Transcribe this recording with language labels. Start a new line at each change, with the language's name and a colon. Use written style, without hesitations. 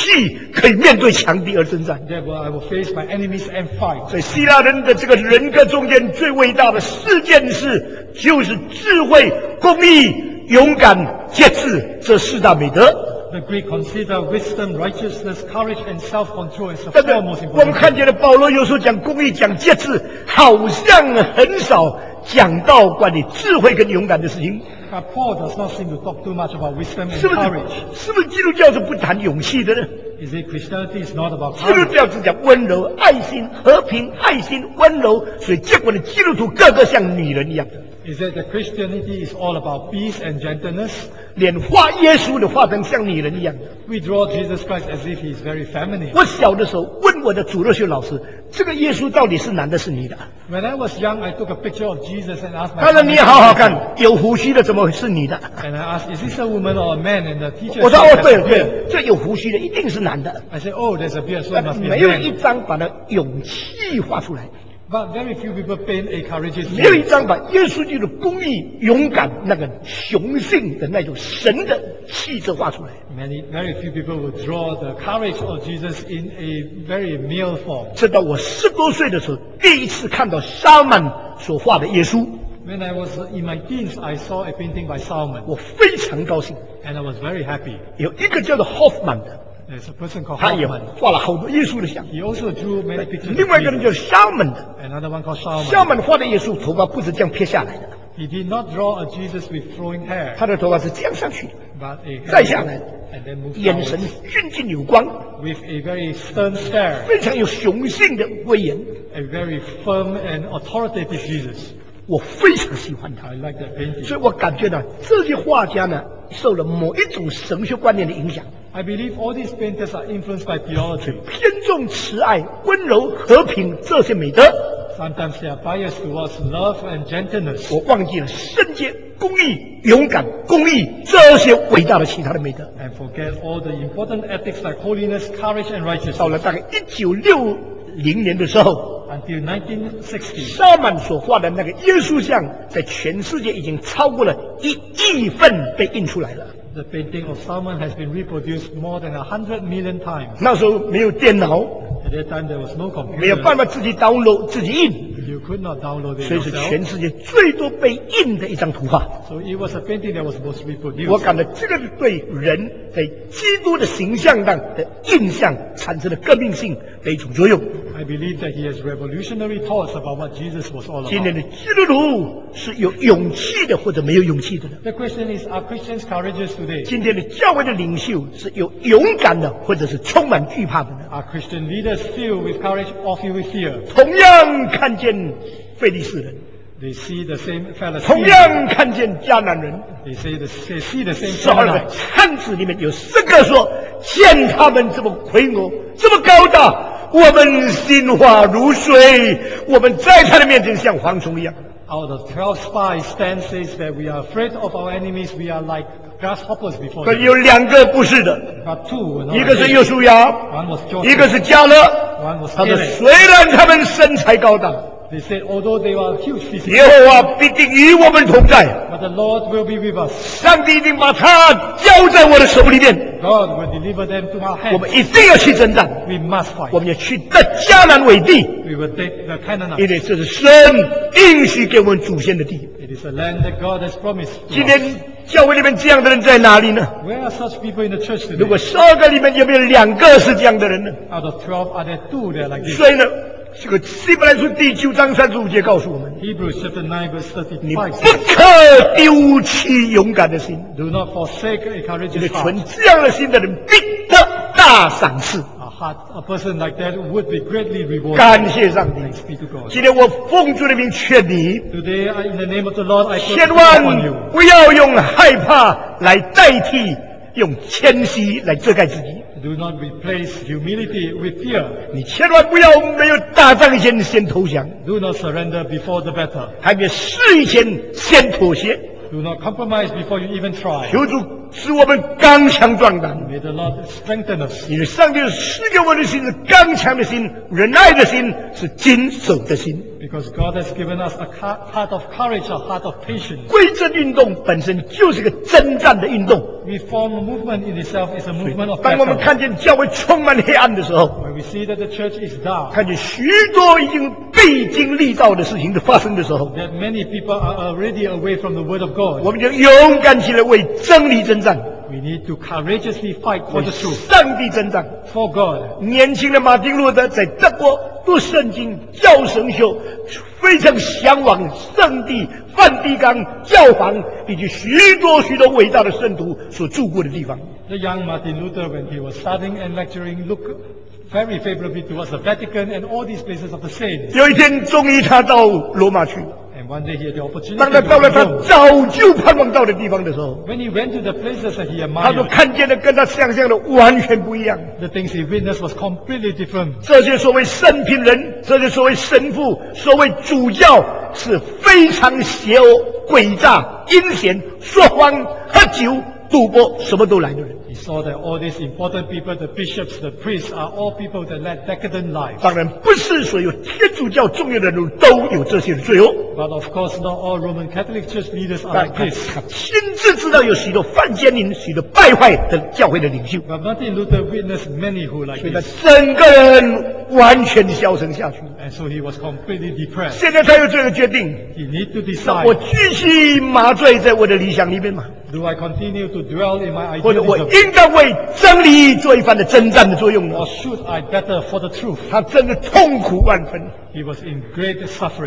Chinese: 使我装了全备的精气可以面对强敌而征战。
English: Therefore, I will face my enemies and fight.
Chinese: 所以希腊人的这个人格中间最伟大的四件事就是智慧、公义、勇敢、节制这四大美德。
English: The Greek consider wisdom, righteousness, courage, and self-control as the four most important.
Chinese: 我们看见了保罗有时候讲公义、讲节制, 好像很少讲到关于智慧跟勇敢的事情。
English: But Paul does not seem to talk too much about wisdom and courage.
Chinese: 是不是基督教是不谈勇气的呢?
English: You see, Christianity is not about power.
Chinese: 基督教是讲温柔、爱心、和平、爱心、温柔，所以结果的基督徒个个像女人一样。
English: Is that the Christianity is all about peace and gentleness?
Chinese: 连画耶稣的画成像女人一样。
English: We draw Jesus Christ as if he is very feminine.
Chinese: 我小的时候问我的主日学老师，这个耶稣到底是男的是女的？
English: When I was young, I took a picture of Jesus and asked my.
Chinese: 他说你好好看，有胡须的怎么是女的？
English: And I asked, is this a woman or a man? And the teacher.
Chinese: 我说哦，对对，这有胡须的一定是男的。
English: I said, oh, there's a beard, so it must be a man.
Chinese: 没有一张把那勇气画出来。
English: But very few people paint a courageous face.
Chinese: 没有一张把耶稣基督的公义、勇敢、那个雄性的那种神的气质画出来。
English: Very few people would draw the courage of Jesus in a very male form.
Chinese: 直到我十多岁的时候，第一次看到沙曼所画的耶稣。
English: When I was in my teens, I saw a painting by Salman.
Chinese: 我非常高兴。
English: And I was very happy.
Chinese: 有一个叫做 Hoffman 的。
English: There's a person called Hoffman.
Chinese: 他也画了好多耶稣的像。
English: He also drew many pictures.
Chinese: 另外一个人叫 Salman.
English: Another one called Salman.
Chinese: Salman 画的耶稣头发不是这样撇下来的。
English: He did not draw a Jesus with flowing hair.
Chinese: 他的头发是这样上去的。
English: But a hair
Chinese: 再下来。
English: And then moved.
Chinese: 眼神俊俊有光。
English: With a very stern stare.
Chinese: 非常有雄性的威严。
English: A very firm and authoritative Jesus.
Chinese: 我非常喜欢他。
English: I like that painting.
Chinese: 所以我感觉到这些画家呢，受了某一种神学观念的影响。
English: I believe all these painters are influenced by theology.
Chinese: 偏重慈爱、温柔、和平这些美德。
English: Sometimes they are biased towards love and gentleness.
Chinese: 我忘记了圣洁、公义、勇敢、公义这些伟大的其他的美德。
English: And forget all the important ethics like holiness, courage, and righteousness.
Chinese: 到了大概1960年的时候
English: ，Until 1960,
Chinese: 沙曼所画的那个耶稣像，在全世界已经超过了1亿份被印出来了。
English: The painting of Salman has been reproduced more than 100 million times.
Chinese: 那时候没有电脑
English: ，At that time there was no computer.
Chinese: 没有办法自己 download 自己印
English: ，You could not download it.
Chinese: 所以是全世界最多被印的一张图画。
English: So it was a painting that was most reproduced.
Chinese: 我感到这个对人在基督的形象上的印象产生了革命性的一种作用。
English: I believe that he has revolutionary thoughts about what Jesus was all about.
Chinese: 今天的基督徒是有勇气的，或者没有勇气的呢
English: ？The question is, are Christians courageous today?
Chinese: 今天的教会的领袖是有勇敢的，或者是充满惧怕的呢
English: ？Are Christian leaders filled with courage or filled with fear?
Chinese: 同样看见腓力斯人
English: ，They see the same fellow.
Chinese: 同样看见迦南人
English: ，They say the they see the same fellow.
Chinese: 十二个探子里面有四个说，见他们这么魁梧，这么高大。我们心花如水，我们在他的面前像蝗虫一样。
English: Out of 12 spies, Stan says that we are afraid of our enemies. We are like grasshoppers before.
Chinese: 可有两个不是的，
English: but two,
Chinese: 一个是约书亚，一个是加勒。他们虽然他们身材高大，
English: they said, although they are huge physically,
Chinese: 耶和华必定与我们同在。
English: But the Lord will be with us.
Chinese: 上帝一定把他交在我的手里面。
English: God will deliver them to our hands.
Chinese: 我们一定要去征战。
English: We must fight.
Chinese: 我们要去得迦南为地。
English: We will take the Canaanites.
Chinese: 因为这是神应许给我们祖先的地。
English: It is a land that God has promised to us.
Chinese: 今天教会里面这样的人在哪里呢？
English: Where are such people in the church today?
Chinese: 如果十二个里面有没有两个是这样的人呢？
English: Out of 12, are there two that are like this?
Chinese: 所以呢，这个希伯来书第九章三十五节告诉我们，
English: Hebrews chapter 9 verse 35,
Chinese: 你不可丢弃勇敢的心。
English: Do not forsake a courageous heart.
Chinese: 你存这样的心的人必得大赏赐。
English: A person like that would be greatly rewarded.
Chinese: 感谢上帝。
English: Thanks be to God.
Chinese: 今天我奉主的名劝你。
English: Today, in the name of the Lord, I put upon you.
Chinese: 千万不要用害怕来代替，用谦虚来遮盖自己。
English: Do not replace humility with fear.
Chinese: 你千万不要没有打仗前先投降。
English: Do not surrender before the battle.
Chinese: 还没试以前先妥协。
English: Do not compromise before you even try.
Chinese: 求主使我们刚强壮胆。
English: May the Lord strengthen us.
Chinese: 因为上帝赐给我们的心是刚强的心，忍耐的心，是坚守的心。
English: Because God has given us a heart of courage, a heart of patience.
Chinese: 归正运动本身就是个征战的运动。
English: Reform movement in itself is a movement of battle.
Chinese: 当我们看见教会充满黑暗的时候，
English: When we see that the church is dark,
Chinese: 看见许多已经背经历道的事情的发生的时候，
English: that many people are already away from the word of God.
Chinese: 我们就勇敢起来为真理征战。
English: We need to courageously fight for the truth.
Chinese: 上帝征战
English: for God.
Chinese: 年轻的马丁路德在德国读圣经教神学，非常向往圣地梵蒂冈教皇以及许多许多伟大的圣徒所住过的地方。
English: The young Martin Luther, when he was studying and lecturing, looked very favorably towards the Vatican and all these places of the saints.
Chinese: 有一天，终于他到罗马去。
English: And one day he had the opportunity.
Chinese: 当他到了他早就盼望到的地方的时候
English: ，When he went to the places that he admired,
Chinese: 他说看见的跟他想象的完全不一样。
English: The things he witnessed was completely different.
Chinese: 这些所谓圣品人，这些所谓神父，所谓主教，是非常邪恶、诡诈、阴险、说谎、喝酒、赌博，什么都来的人。
English: He saw that all these important people, the bishops, the priests, are all people that led decadent lives.
Chinese: 当然，不是所有天主教重要的人都有这些罪恶。
English: But of course, not all Roman Catholic Church leaders are like this.
Chinese: 他亲自知道有许多犯奸淫、许多败坏的教会的领袖。
English: But Martin Luther witnessed many who like this.
Chinese: 所以他整个人完全消沉下去。
English: And so he was completely depressed.
Chinese: 现在他有这个决定。
English: He need to decide.
Chinese: 我继续麻醉在我的理想里面吗？
English: Do I continue to dwell in my ideas?
Chinese: 或者我应该为真理做一番的征战的作用呢
English: ？Or should I better for the truth?
Chinese: 他真的痛苦万分。
English: He was in great suffering.